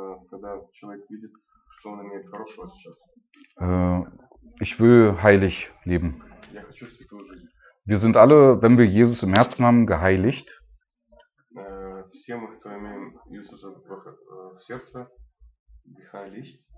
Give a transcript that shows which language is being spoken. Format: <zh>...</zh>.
<ru>когда человек видит, что он имеет хорошего сейчас.</ru> <de>Ich will heilig leben.</de> <ru>Я хочу святую жизнь.</ru> <de>Wir sind alle, wenn wir Jesus im Herzen haben, geheiligt.</de> <ru>Все мы, кто имеем Иисуса в сердце, geheiligt.</ru>